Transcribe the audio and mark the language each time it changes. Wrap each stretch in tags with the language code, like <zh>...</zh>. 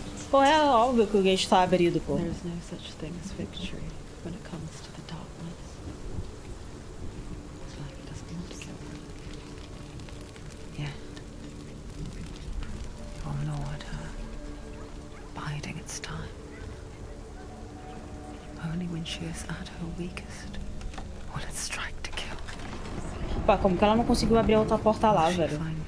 <pt>Pô, é óbvio que o gate está abrido, pô.</pt> <en>There is no such thing as victory when it comes to the darkness. It's like it doesn't want to kill her. Yeah. You're gnawed her. Biding its time. Only when she is at her weakest will it strike.</en> <pt>Pá, como que ela não conseguiu abrir a outra porta lá, velho?</pt>